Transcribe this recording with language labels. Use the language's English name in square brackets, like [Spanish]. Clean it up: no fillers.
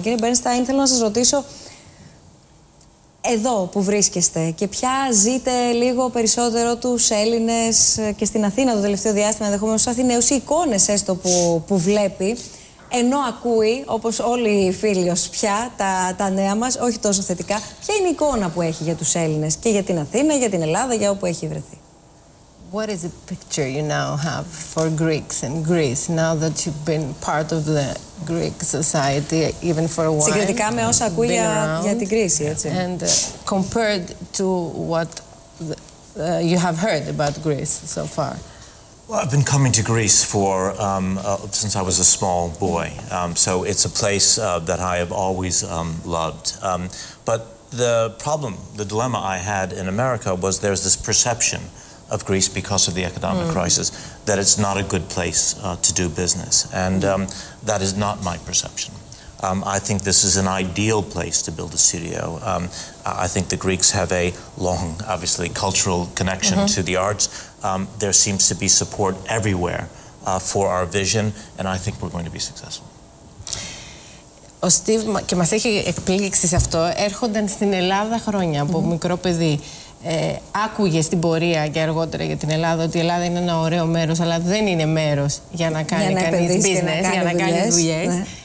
[Greek] Κύριε Μπέρνστάιν, θέλω να σας ρωτήσω, εδώ που βρίσκεστε και πια ζείτε λίγο περισσότερο τους Έλληνες και στην Αθήνα το τελευταίο διάστημα, ενδεχομένως Αθηναίους, οι εικόνες έστω που βλέπει, ενώ ακούει, όπως όλοι οι φίλοι ως πια, τα νέα μας, όχι τόσο θετικά, ποια είναι η εικόνα που έχει για τους Έλληνες και για την Αθήνα, για την Ελλάδα, για όπου έχει βρεθεί? [English] What is the picture you now have for Greeks and Greece now that you've been part of the Greek society, even for a while? [Greek] Συγκριτικά με όσα ακούει για την Κρήση, έτσι. [English] And compared to what you have heard about Greece so far. Well, I've been coming to Greece for since I was a small boy. So it's a place that I have always loved. But the problem, the dilemma I had in America was there's this perception of Greece because of the economic crisis, that it's not a good place to do business. And that is not my perception. I think this is an ideal place to build a studio. I think the Greeks have a long, obviously, cultural connection to the arts. There seems to be support everywhere for our vision, and I think we're going to be successful. [Greek] Ο Steve, και μας έχει εκπλήξει σε αυτό, έρχονταν στην Ελλάδα χρόνια από μικρό παιδί. Άκουγε στην πορεία και αργότερα για την Ελλάδα ότι η Ελλάδα είναι ένα ωραίο μέρος, αλλά δεν είναι μέρος για να κάνει κανείς business, για να κάνει δουλειές.